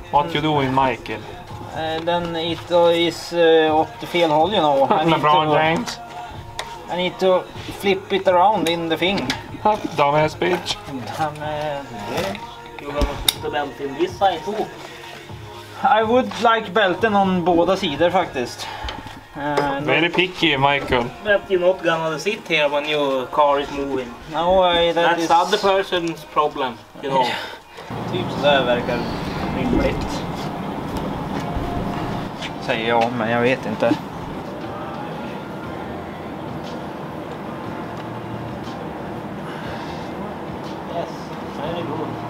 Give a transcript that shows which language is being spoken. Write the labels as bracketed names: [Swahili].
[English] what you doing, Michael? Then it is up the [Swedish] fel håll, [English] you know. LeBron James. I need to flip it around in the thing. Dumbass bitch. Dumbass bitch. You gonna put the belt in this side too. I would like [Swedish] bälten [English] on [Swedish] båda sidor faktiskt. [English] Very picky, Michael. But you're not gonna sit here when your car is moving. No way, that that's is... That's other person's problem, you know. [Swedish] Typ sådär verkar rimligt. Säger jag, men jag vet inte. [English] Yes, very good.